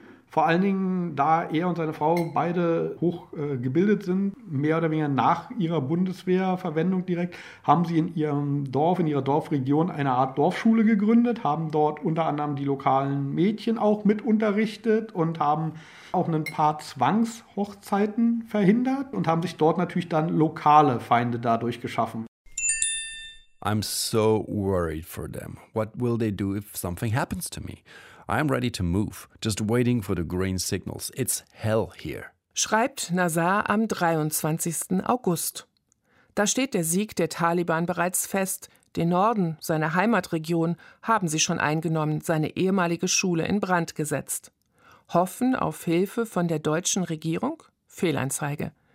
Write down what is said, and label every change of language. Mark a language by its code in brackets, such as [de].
[de] Vor allen Dingen, da er und seine Frau beide hochgebildet sind, mehr oder weniger nach ihrer Bundeswehrverwendung direkt, haben sie in ihrem Dorf, in ihrer Dorfregion eine Art Dorfschule gegründet, haben dort unter anderem die lokalen Mädchen auch mit unterrichtet und haben auch ein paar Zwangshochzeiten verhindert und haben sich dort natürlich dann lokale Feinde dadurch geschaffen. [en] I'm so worried for them. What will they do if something happens to me? I'm ready to move, just waiting for the green signals. It's hell here. [de] Schreibt Nazar am 23. August. Da steht der Sieg der Taliban bereits fest. Den Norden, seine Heimatregion, haben sie schon eingenommen, seine ehemalige Schule in Brand gesetzt. Hoffen auf Hilfe von der deutschen Regierung? Fehlanzeige.